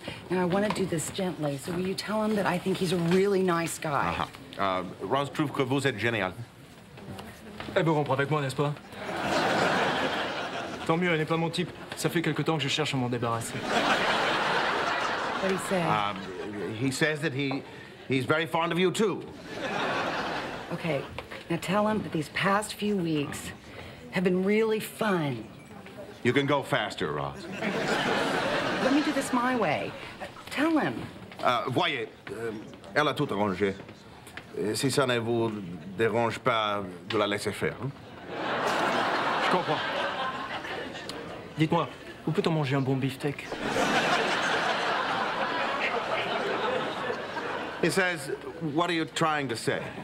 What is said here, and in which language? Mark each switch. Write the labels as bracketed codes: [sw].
[en] Now, I want to do this gently, so will you tell him that I think he's a really nice guy? [fr] Rose prouve que vous êtes génial. Elle veut rompre avec moi, n'est-ce pas? Tant mieux, elle n'est pas mon type. Ça fait quelque temps que je cherche à m'en débarrasser. [en] What did he say? He says that he's very fond of you, too. Okay, now tell him that these past few weeks have been really fun. You can go faster, Ross. Let me do this my way. Tell him. [fr] Voyez, elle a tout arrangé. Si ça ne vous dérange pas, de la laisser faire. Hein? Je comprends. Dites-moi, où peut-on manger un bon beefsteak? [en] He says, what are you trying to say?